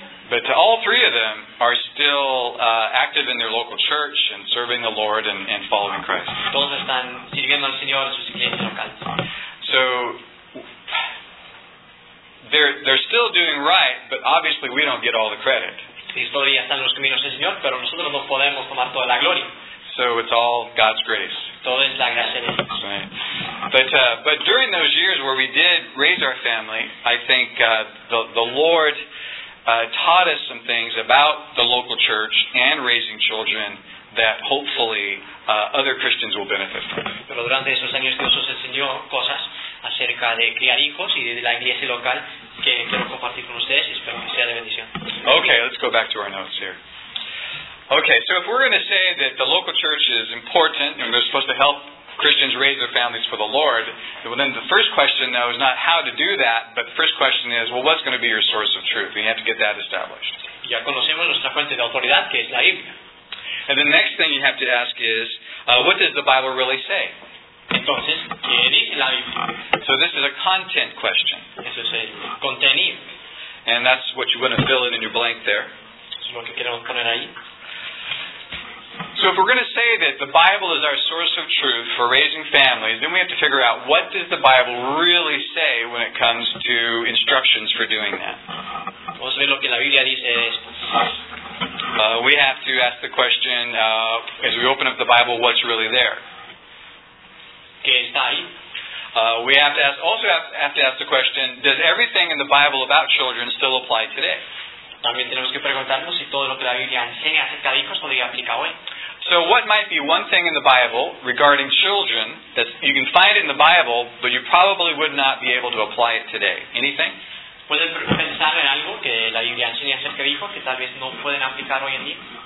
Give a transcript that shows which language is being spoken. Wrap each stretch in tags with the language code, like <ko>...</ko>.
<en>But all three of them are still active in their local church and serving the Lord and following Christ.</en> <es>Todos están sirviendo al Señor en sus iglesias locales.</es> <en>So they're still doing right, but obviously we don't get all the credit.</en> <es>Sí, todavía están en los caminos del Señor, pero nosotros no podemos tomar toda la gloria.</es> <en>So it's all God's grace.</en> <es>Todo es la gracia de Dios.</es> <en>Right. But during those years where we did raise our family, I think the Lord taught us some things about the local church and raising children that hopefully other Christians will benefit from.</en> <es>Pero durante esos años Dios nos enseñó cosas acerca de criar hijos y de la iglesia local que quiero compartir con ustedes y espero que sea de bendición.</es> <en>Okay, let's go back to our notes here. Okay, so if we're going to say that the local church is important and they're supposed to help Christians raise their families for the Lord, well, then the first question, though, is not how to do that, but the first question is, well, what's going to be your source of truth? And you have to get that established.</en> <es>Ya conocemos nuestra fuente de autoridad, que es la Biblia.</es> <en>And the next thing you have to ask is, what does the Bible really say?</en> <es>Entonces, ¿qué dice la Biblia?</es> <en>So this is a content question.</en> <es>Eso es el contenido.</es> <en>And that's what you want to fill in your blank there.</en> <es>Eso es lo que queremos poner ahí.</es> <en>So if we're going to say that the Bible is our source of truth for raising families, then we have to figure out what does the Bible really say when it comes to instructions for doing that.</en> <es>Vamos a ver lo que la Biblia dice de esto.</es> <en>We have to ask the question, as we open up the Bible, what's really there?</en> <es>¿Qué está ahí?</es> <en>We have to ask the question, does everything in the Bible about children still apply today?</en> <es>También tenemos que preguntarnos si todo lo que la Biblia enseña acerca de hijos podría aplicar hoy.</es> <en>So what might be one thing in the Bible regarding children that you can find in the Bible, but you probably would not be able to apply it today? Anything?</en> <es>¿Puedes pensar en algo que la Biblia enseña acerca de hijos que tal vez no pueden aplicar hoy en día?</es>